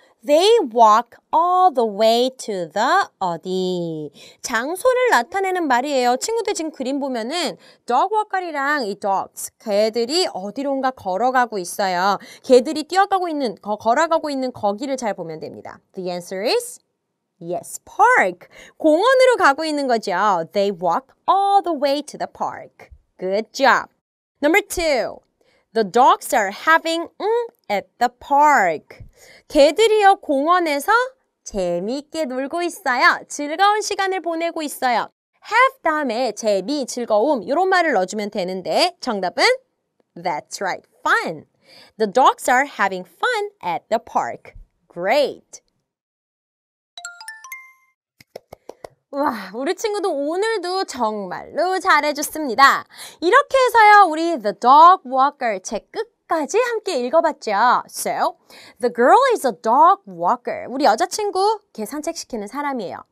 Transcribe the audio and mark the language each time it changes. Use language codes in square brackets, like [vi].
[en] They walk all the way to the [ko] 어디. 장소를 나타내는 말이에요. 친구들 지금 그림 보면은 dog walker이랑 이 dogs, 개들이 어디론가 걸어가고 있어요. 개들이 뛰어가고 있는, 걸어가고 있는 거기를 잘 보면 됩니다. [en] The answer is yes, park. [ko] 공원으로 가고 있는 거죠. [en] They walk all the way to the park. Good job. Number two. The dogs are having at the park. [ko] 개들이요, 공원에서 재미있게 놀고 있어요. 즐거운 시간을 보내고 있어요. Have 다음에 재미, 즐거움 이런 말을 넣어주면 되는데 정답은 [en] That's right, fun. The dogs are having fun at the park. Great. [ko] 와, 우리 친구도 오늘도 정말로 잘해줬습니다. 이렇게 해서요, 우리 The Dog Walker 제 끝 까지 함께 읽어봤죠. [en] So, the girl is a dog walker. [ko] 우리 여자친구, 개 산책시키는 사람이에요.